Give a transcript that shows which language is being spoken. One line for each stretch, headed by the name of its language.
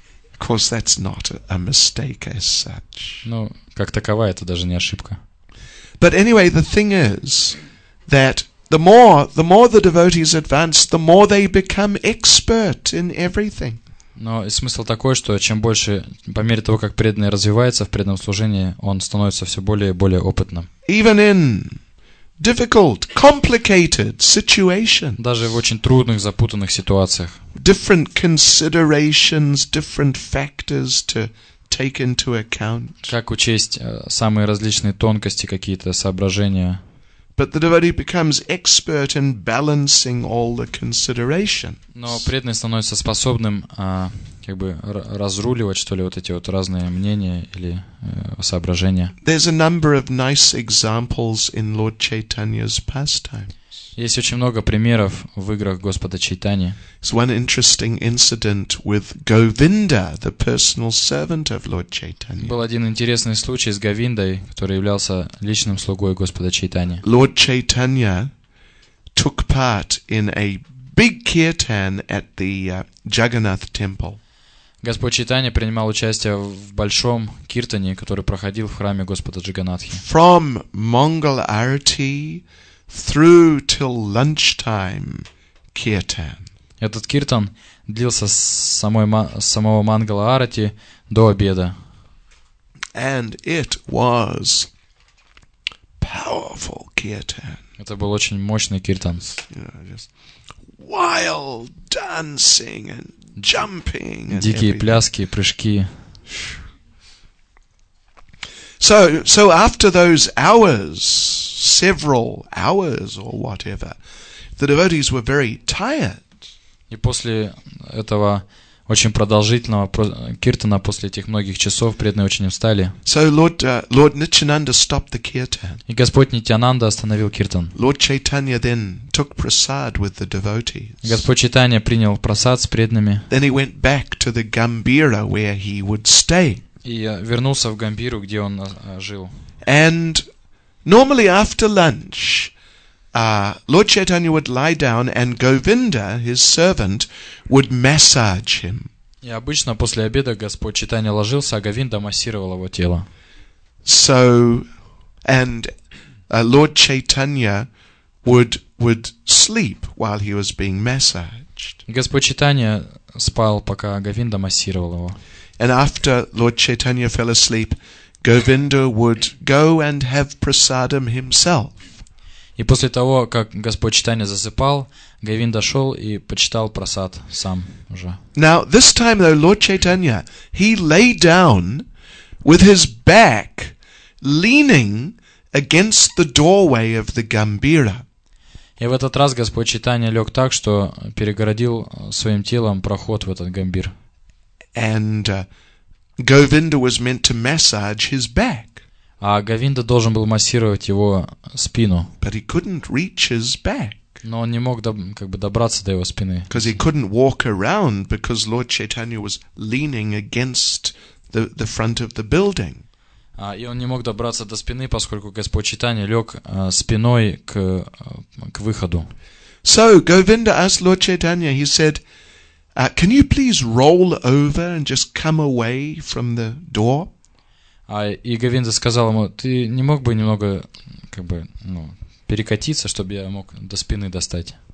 English: Of course, that's not a mistake as such.
Russian: Ну, как такова, это даже не ошибка.
English: But anyway, the thing is that the more the devotees advance, the more they become expert in everything.
Russian: Но смысл такой, что чем больше, по мере того, как преданный развивается в преданном служении, он становится все более и более опытным.
English: Even in difficult, complicated situations.
Russian: Даже в очень трудных, запутанных ситуациях.
English: Different considerations, different factors to take into account.
Russian: Как учесть самые различные тонкости, какие-то соображения.
English: But the devotee becomes expert in balancing all the considerations.
Russian: Но преданный становится способным разруливать, что ли, вот эти вот разные мнения или соображения.
English: There's a number of nice examples in Lord Chaitanya's pastime.
Russian: Есть очень много примеров в играх Господа Чайтани.
English: It's one interesting incident with Govinda, the personal servant of Lord Chaitanya.
Russian: Был один интересный случай с Говиндой, который являлся личным слугой Господа Чайтани.
English: Lord Chaitanya took part in a big kirtan at the Jagannath temple.
Russian: Господь Чайтани принимал участие в большом киртане, который проходил в храме Господа Джаганнатхи.
English: From Mangal Arati through till lunchtime kirtan.
Russian: Этот киртан длился с самого Мангала Арати до обеда.
English: And it was powerful kirtan.
Russian: Это был очень мощный киртан.
English: Wild dancing and jumping.
Russian: Дикие пляски, прыжки.
English: So after those hours, several hours or whatever, the devotees were very tired.
Russian: И после этого очень продолжительного киртана, после этих многих часов, преданные очень устали.
English: So Lord Nityananda stopped the kirtan.
Russian: И Господь Нитянанда остановил киртан.
English: Lord Chaitanya then took prasad with the devotees.
Russian: Господь Чайтанья принял прасад с преданными.
English: Then he went back to the Gambira where he would stay.
Russian: И вернулся в Гамбиру, где он жил.
English: And Normally after lunch, Lord Chaitanya would lie down and Govinda, his servant, would massage him.
Russian: И обычно после обеда Господь Чайтанья ложился, а Говинда массировал его тело.
English: So, and Lord Chaitanya would sleep while he was being massaged.
Russian: Господь Чайтанья спал, пока Говинда массировал его.
English: And after Lord Chaitanya fell asleep, Govinda would go and have prasadam himself.
Russian: И после того, как Господь Чайтанья засыпал, Говинда шел и почитал прасад сам уже.
English: Now, this time, though, Lord Chaitanya, he lay down with his back leaning against the doorway of the Gambira.
Russian: И в этот раз Господь Чайтанья лег так, что перегородил своим телом проход в этот Гамбир.
English: And Govinda was meant to massage his back.
Russian: А Говинда должен был массировать его спину.
English: But he couldn't reach his back.
Russian: Но он не мог добраться до его спины.
English: Because he couldn't walk around because Lord Chaitanya was leaning against the front of the building.
Russian: И он не мог добраться до спины, поскольку Господь Чайтанья лег спиной к выходу.
English: So Govinda asked Lord Chaitanya, he said, can you please roll over and just come away from the door?
Russian: И Говинда сказал ему, ты не мог бы немного, перекатиться, чтобы я мог до спины достать?